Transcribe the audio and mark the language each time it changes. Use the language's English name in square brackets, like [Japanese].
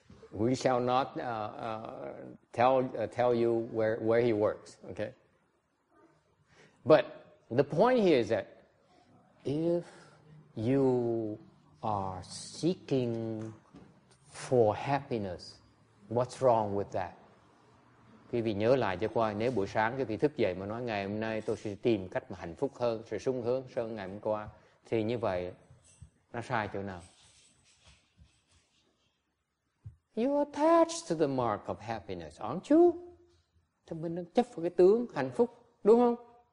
[English] We shall not tell you where he works. Okay? But the point here is that if you are seeking for happiness. What's wrong with that? [Vietnamese] Quý vị nhớ lại cho qua, nếu buổi sáng quý vị thức dậy mà nói ngày hôm nay tôi sẽ tìm cách mà hạnh phúc hơn, sẽ sung hướng hơn ngày hôm qua, thì như vậy nó sai chỗ nào? [English] You attached to the mark of happiness, aren't you? [Vietnamese] Thì mình đang chấp vào cái tướng hạnh phúc, đúng không?